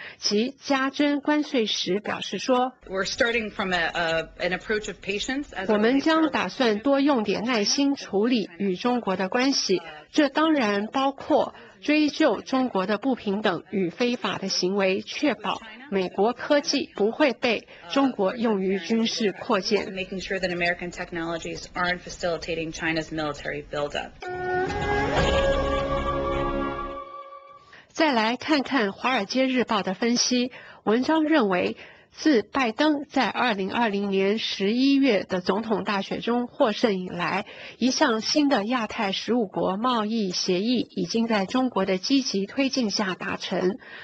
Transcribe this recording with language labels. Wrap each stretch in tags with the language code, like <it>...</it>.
<zh>及加征关税时表示说，我们将打算多用点耐心处理与中国的关系，这当然包括追究中国的不平等与非法的行为，确保美国科技不会被中国用于军事扩建。</zh> <en>Making sure that American technologies aren't facilitating China's military buildup。</en> <zh>再来看看《华尔街日报》的分析，文章认为，自拜登在2020年11月的总统大选中获胜以来，一项新的亚太15国贸易协议已经在中国的积极推进下达成。</zh>